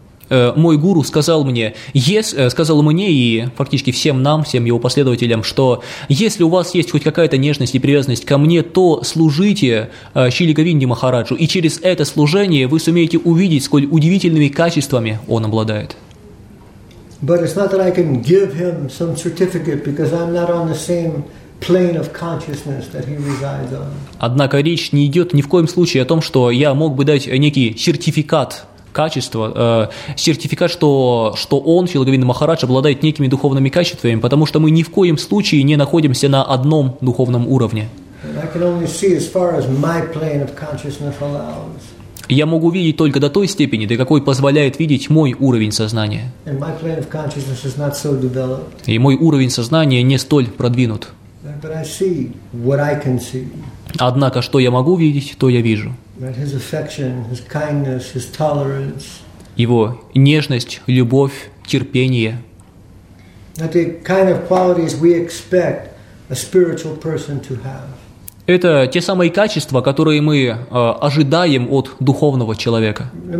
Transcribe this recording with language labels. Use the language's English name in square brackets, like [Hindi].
[Russian] Мой гуру сказал мне, сказал мне и фактически всем нам, всем его последователям, что если у вас есть хоть какая-то нежность и привязанность ко мне, то служите Шриле Говинде Махараджу, и через это служение вы сумеете увидеть, сколь удивительными качествами он обладает. [English] But it's not that I can give him some certificate because I'm not on the same plane of consciousness that he resides on. [Russian] Однако речь не идет ни в коем случае о том, что я мог бы дать некий сертификат качества, сертификат, что он, Шрила Говинда Махарадж, обладает некими духовными качествами, потому что мы ни в коем случае не находимся на одном духовном уровне. [English] And I can only see as far as my plane of consciousness allows. [Russian] Я могу видеть только до той степени, до какой позволяет видеть мой уровень сознания. [English] And my plane of consciousness is not so developed. [Russian] И мой уровень сознания не столь продвинут. [English] But I see what I can see. [Russian] Однако, что я могу видеть, то я вижу. [English] His affection, his kindness, his tolerance. [Russian] Его нежность, любовь, терпение. [English] The kind of qualities we expect a spiritual person to have. [Russian] Это те самые качества, которые мы ожидаем от духовного человека.